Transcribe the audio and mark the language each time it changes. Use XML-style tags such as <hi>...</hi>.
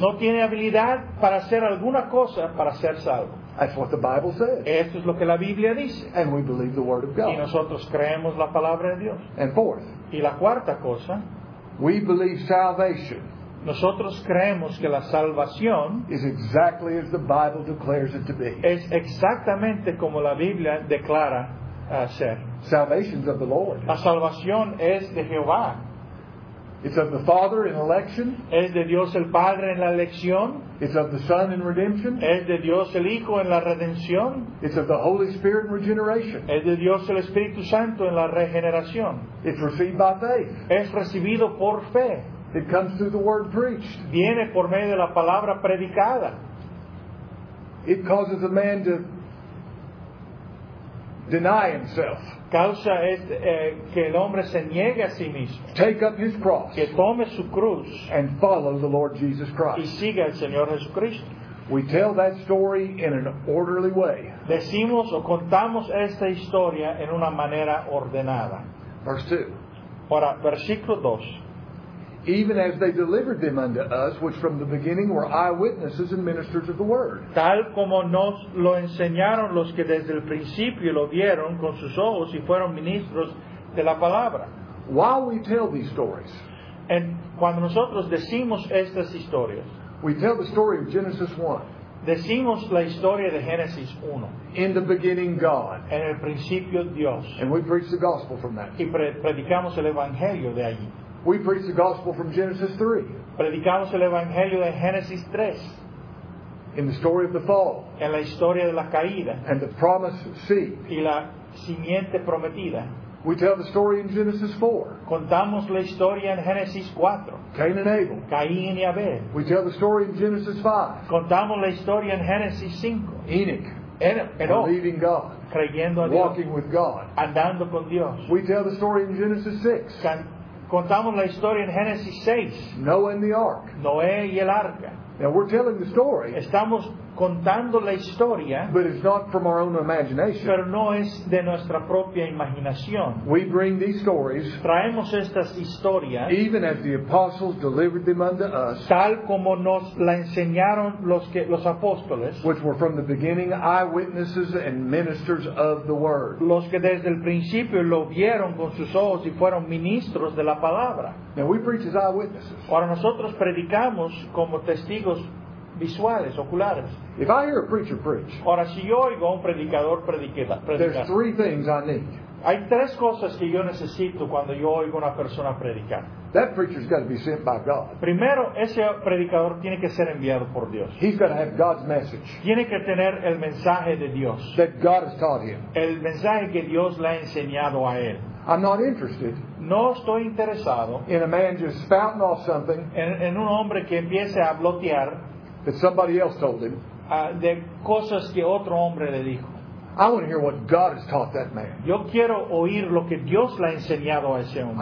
<es>No tiene habilidad para hacer alguna cosa para ser salvo.</es> <en>That's what the Bible says.</en> <es>Esto es lo que la Biblia dice.</es> <en>And we believe the word of God.</en> <es>Y nosotros creemos la palabra de Dios.</es> <en>And fourth.</en> <es>Y la cuarta cosa.</es> <en>We believe salvation.</en> <es>Nosotros creemos que la salvación</es> <en>is exactly as the Bible declares it to be.</en> <es>Es exactamente como la Biblia declara.</es> <en>Salvation is of the Lord.</en> <es>La salvación es de Jehová.</es> <en>It's of the Father in election.</en> <es>Es de Dios el Padre en la elección.</es> <en>It's of the Son in redemption.</en> <es>Es de Dios el Hijo en la redención.</es> <en>It's of the Holy Spirit in regeneration.</en> <es>Es de Dios el Espíritu Santo en la regeneración.</es> <en>It's received by faith.</en> <es>Es recibido por fe.</es> <en>It comes through the word preached.</en> <es>Viene por medio de la palabra predicada.</es> <en>It causes a man to deny himself.</en> <es>Causa es que el hombre se niegue a sí mismo.</es> <en>Take up his cross.</en> <es>Que tome su cruz.</es> <en>And follow the Lord Jesus Christ.</en> <es>Y siga al Señor Jesucristo.</es> <en>We tell that story in an orderly way.</en> <es>Decimos o contamos esta historia en una manera ordenada.</es> <en>Verse 2.</en> <es>Ahora, versículo 2.</es> <en>Even as they delivered them unto us, which from the beginning were eyewitnesses and ministers of the word.</en> <es>Tal como nos lo enseñaron los que desde el principio lo vieron con sus ojos y fueron ministros de la palabra.</es> <en>While we tell these stories,</en> <es>and cuando nosotros decimos estas historias,</es> <en>we tell the story of Genesis 1.</en> <es>Decimos la historia de Génesis 1.</es> <en>In the beginning, God.</en> <es>En el principio, Dios.</es> <en>And we preach the gospel from that.</en> <es>Y predicamos el evangelio de allí.</es> <en>We preach the gospel from Genesis 3.</en> <es>Predicamos el evangelio de Génesis 3.</es> <en>In the story of the fall.</en> <es>En la historia de la caída.</es> <en>And the promised seed.</en> <es>Y la simiente prometida.</es> <en>We tell the story in Genesis 4.</en> <es>Contamos la historia en Génesis 4.</es> <en>Cain and Abel.</en> <es>Caín y Abel.</es> <en>We tell the story in Genesis 5.</en> <es>Contamos la historia en Génesis 5.</es> <en>Enoch.</en> <es>Enoch.</es> <en>Believing God.</en> <es>Creyendo a Dios.</es> <en>Walking with God.</en> <es>Andando con Dios.</es> <en>We tell the story in Genesis 6.</en> <es>Contamos la historia en Génesis 6.</es> <en>Noah and the ark.</en> <es>Noé y el arca.</es> <en>Now we're telling the story.</en> <es>Estamos contando la historia,</es> <en>but it's not from our own imagination.</en> <es>Pero no es de nuestra propia imaginación.</es> <en>We bring these stories,</en> <es>traemos estas historias,</es> <en>even as the apostles delivered them unto us,</en> <es>tal como nos la enseñaron los apóstoles,</es> <en>which were from the beginning eyewitnesses and ministers of the word.</en> <es>Los que desde el principio lo vieron con sus ojos y fueron ministros de la palabra.</es> <en>Now we preach as eyewitnesses.</en> <es>Ahora nosotros predicamos como testigos visuales, oculares.</es> <en>If I hear a preacher preach,</en> <es>ahora, si yo oigo un predicador predicar,</es> <en>there's three things I need.</en> <es>Hay tres cosas que yo necesito cuando yo oigo una persona predicar.</es> <en>That preacher's got to be sent by God.</en> <es>Primero, ese predicador tiene que ser enviado por Dios.</es> <en>He's got to have God's message.</en> <es>Tiene que tener el mensaje de Dios.</es> <en>That God has taught him.</en> <es>El mensaje que Dios le ha enseñado a él.</es> <en>I'm not interested.</en> <es>No estoy interesado.</es> <en>In a man just spouting off something.</en> <es>En un hombre que empiece a blotear.</es> <en>That somebody else told him.</en> <es>De cosas que otro hombre le dijo.</es> <en>I want to hear what God has taught that man.</en> <es>Yo quiero oír lo que Dios le ha enseñado a ese hombre.</es>